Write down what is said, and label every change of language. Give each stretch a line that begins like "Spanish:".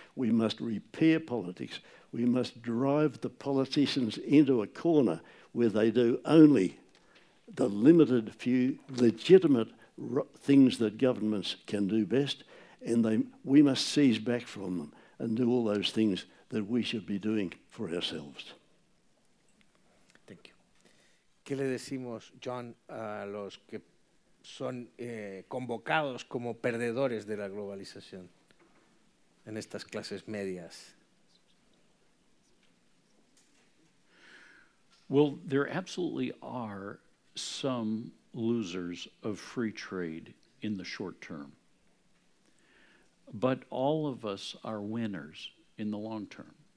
English: We must repair politics. We must drive the politicians into a corner where they do only the limited few legitimate things that governments can do best, and we must seize back from them and do all those things that we should be doing for ourselves.
Spanish: ¿Qué le decimos, John, a los que son convocados como perdedores de la globalización en estas clases medias?
English: Well, there absolutely are some losers of free trade in the short term. But all of us are winners in the long term.